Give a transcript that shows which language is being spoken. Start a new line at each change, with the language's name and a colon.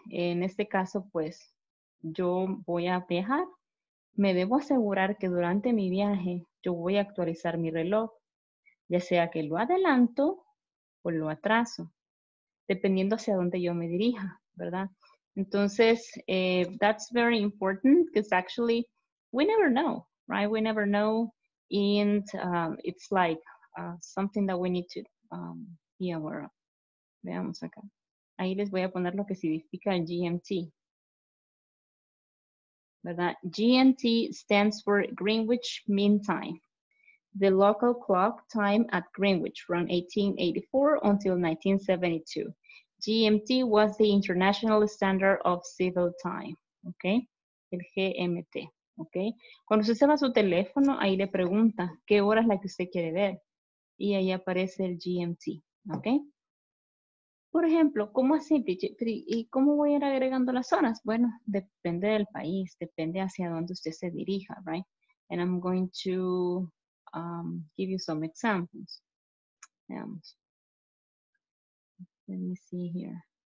Spanish: En este caso, pues, yo voy a viajar. Me debo asegurar que durante mi viaje yo voy a actualizar mi reloj, ya sea que lo adelanto o lo atraso, dependiendo hacia dónde yo me dirija, ¿verdad?
English: Entonces, that's very important because actually we never know, right? We never know, and it's like something that we need to be aware of.
Spanish: Veamos acá. Ahí les voy a poner lo que significa GMT.
English: ¿Verdad? GMT stands for Greenwich Mean Time, the local clock time at Greenwich from 1884 until 1972. GMT was the international standard of civil time, ¿ok?
Spanish: El GMT, ¿ok? Cuando usted se va a su teléfono, ahí le pregunta, ¿qué hora es la que usted quiere ver? Y ahí aparece el GMT, ¿ok? Por ejemplo, ¿cómo así? ¿Y cómo voy a ir agregando las horas? Bueno, depende del país, depende hacia dónde usted se dirija, right?
English: And I'm going to give you some examples. Veamos. Let me see here.